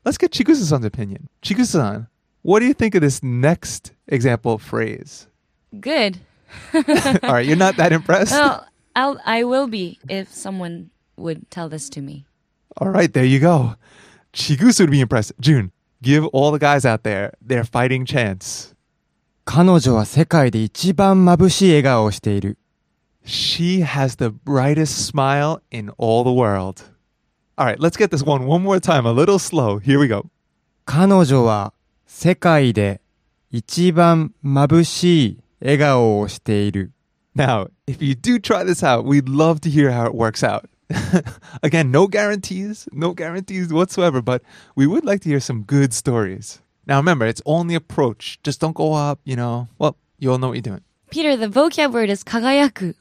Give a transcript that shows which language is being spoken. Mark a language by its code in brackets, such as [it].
[en] Let's get Chikusa-san's opinion. Chikusa-san, what do you think of this next example phrase? Good. All right, you're not that impressed? Well, I will be if someone would tell this to me. All right, there you go. Chikusa would be impressed. Jun, give all the guys out there their fighting chance. [ja] 彼女は世界で一番眩しい笑顔をしている。 [en] She has the brightest smile in all the world. All right, let's get this one more time, a little slow. Here we go. [ja] 彼女は世界で一番眩しい笑顔をしている。 [en] Now, if you do try this out, we'd love to hear how it works out. Again, no guarantees whatsoever, but we would like to hear some good stories. Now remember, it's only approach. Just don't go up, you know. Well, you all know what you're doing. Peter, the vocab word is kagayaku.